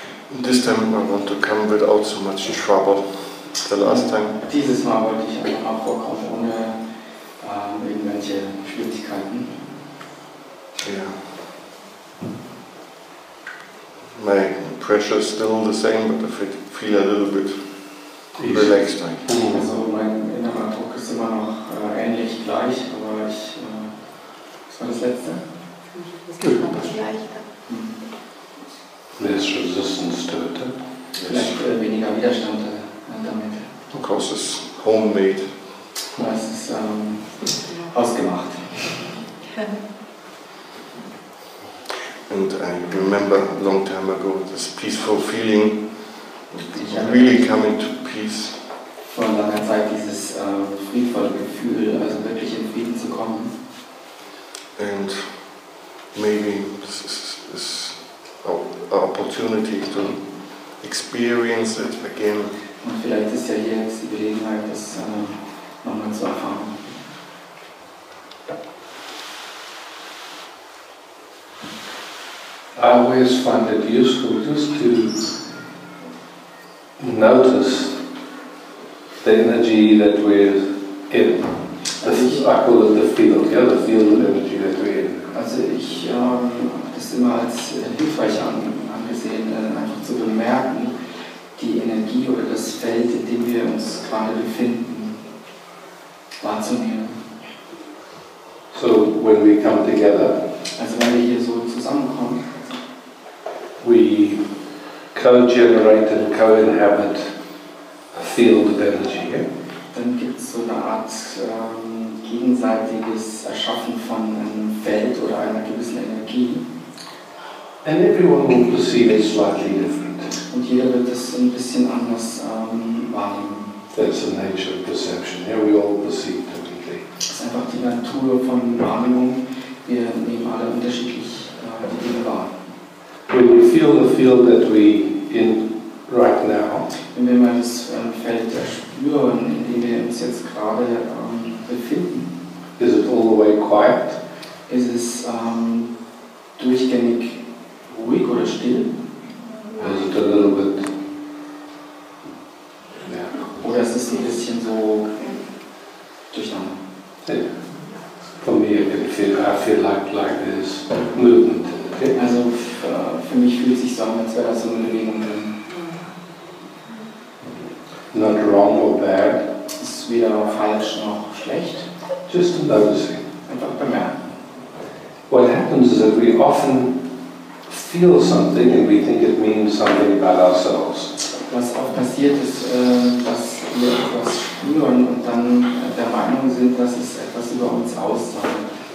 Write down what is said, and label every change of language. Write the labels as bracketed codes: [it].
[en] This time I want to come without so much trouble. The last time. [de] Dieses Mal wollte ich einfach mal vorkommen ohne irgendwelche Schwierigkeiten. [en] Yeah. My pressure is still the same, but I feel a little bit relaxed. [de] Also mein innerer Druck ist immer noch ähnlich gleich, aber ich. Was war das letzte? [en] Less resistance to it. [de] Vielleicht weniger Widerstand damit. [en] Of course, it's homemade. [de] Das ist ausgemacht. [en] And I remember a long time ago this peaceful feeling, really coming to peace. [de] Vor langer Zeit dieses friedvolle Gefühl, also wirklich in Frieden zu kommen. [en] And maybe this is an opportunity to experience it again. [de] Und vielleicht ist ja hier jetzt die Gelegenheit, das nochmal zu erfahren. [en] I always find it useful just to notice the energy that we're in. This is, I call it the field, yeah, the field of energy that we're in. [de] Also ich habe das immer als hilfreich angesehen, einfach zu bemerken, die Energie oder das Feld, in dem wir uns gerade befinden, wahrzunehmen. [en] So when we come together. [de] Also wenn wir hier so zusammenkommen. [en] We co-generate and co-inhabit a field of energy. [de] Dann gibt es so eine Art gegenseitiges Erschaffen von einem Feld oder einer gewissen Energie. [en] And everyone will perceive it slightly different. [de] Und jeder wird es ein bisschen anders wahrnehmen. [en] That's the nature of perception. Here we all perceive differently. [de] Das ist einfach die Natur von Wahrnehmung. Wir nehmen alle unterschiedlich die Dinge wahr. [en] When we feel the field that we in right now, [de] wenn wir mal das Feld spüren, in dem wir uns jetzt gerade befinden, [en] is it all the way quiet? [de] Ist es durchgängig ruhig oder still? [en] Or is it a little bit? [de] Yeah. Oder ist es ein bisschen so durcheinander? [en] Yeah. For me, I feel like there's movement. [de] Also für mich fühlt es sich so an, als wäre das so eine Bewegung drin. [en] Not wrong or bad. [de] Ist weder falsch noch schlecht. [en] Just to noticing. [de] Einfach bemerken. [en] What happens is that we often feel something and we think it means something about ourselves. [de] Was oft passiert ist, dass wir etwas spüren und dann der Meinung sind, dass es etwas über uns aussagt.